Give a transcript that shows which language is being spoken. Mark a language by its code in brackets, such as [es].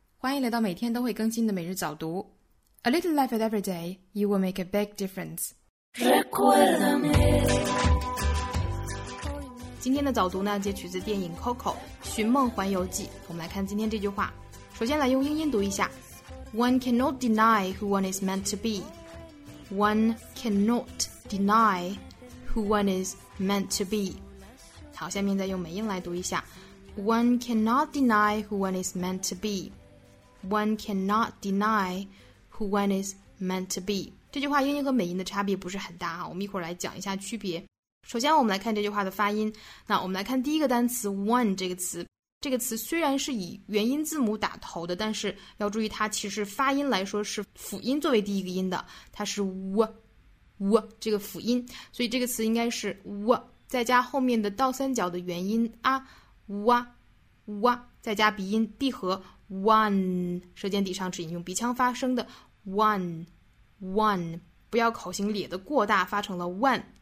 [zh] 欢迎来到每天都会更新的每日早读。 [en] A little effort every day, you will make a big difference. [es] Recuérdame. [zh] 今天的早读呢，截取自电影 Coco《寻梦环游记》。我们来看今天这句话。首先来用英音读一下。 [en] One cannot deny who one is meant to be. One cannot deny who one is meant to be. [zh] 好，下面再用美音来读一下。 [en] One cannot deny who one is meant to be. One cannot deny who one is meant to be. [zh] 这句话英音和美音的差别不是很大啊，我们一会儿来讲一下区别。首先我们来看这句话的发音。那我们来看第一个单词 one 这个词。这个词虽然是以元音字母打头的，但是要注意它其实发音来说是辅音作为第一个音的，它是 w 这个辅音，所以这个词应该是 w 再加后面的倒三角的元音啊哇哇，再加鼻音闭合 one， 舌尖抵上齿龈，用鼻腔发声的 one one， 不要口型咧得过大，发成了 one。